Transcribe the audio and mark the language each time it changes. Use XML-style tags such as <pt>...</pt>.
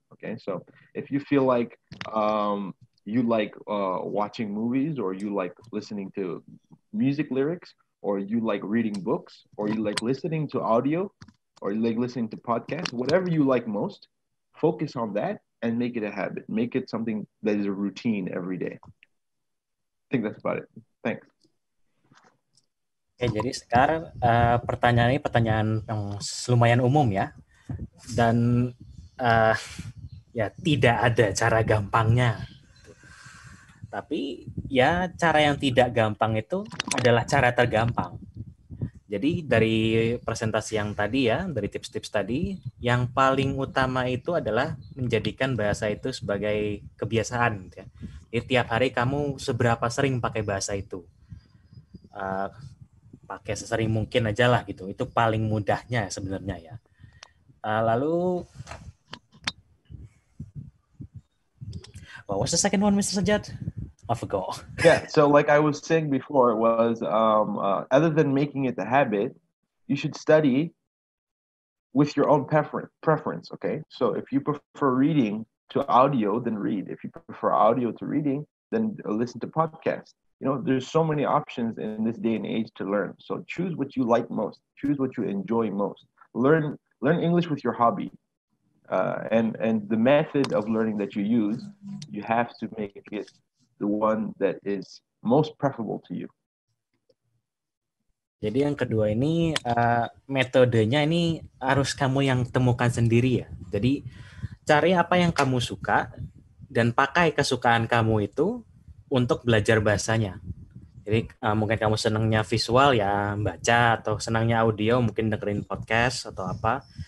<en>Okay, so if you feel like you like watching movies, or you like listening to music lyrics, or you like reading books, or you like listening to audio, or you like listening to podcasts, whatever you like most, focus on that and make it a habit. Make it something that is a routine every day. I think that's about it. Thanks.</en> <id>Oke, jadi sekarang pertanyaan ini pertanyaan yang lumayan umum ya, dan ya tidak ada cara gampangnya. Tapi ya cara yang tidak gampang itu adalah cara tergampang. Jadi dari presentasi yang tadi ya, dari tips-tips tadi, yang paling utama itu adalah menjadikan bahasa itu sebagai kebiasaan. Ya. Jadi tiap hari kamu seberapa sering pakai bahasa itu? Pakai sesering mungkin aja lah gitu. Itu paling mudahnya sebenarnya ya. Lalu...</id> <en>What was the second one, Mr. Sajjad? I forgot. Yeah, so like I was saying before, was other than making it a habit, you should study with your own preference, okay? So if you prefer reading to audio, then read. If you prefer audio to reading, then listen to podcasts. You know, there's so many options in this day and age to learn. So choose what you like most. Choose what you enjoy most. Learn English with your hobby. And the method of learning that you use, you have to make it the one that is most preferable to you.</en> <id>Jadi yang kedua ini metodenya ini harus kamu yang temukan sendiri ya. Jadi cari apa yang kamu suka dan pakai kesukaan kamu itu untuk belajar bahasanya. Jadi mungkin kamu senangnya visual ya baca, atau senangnya audio mungkin dengerin podcast atau apa.</id>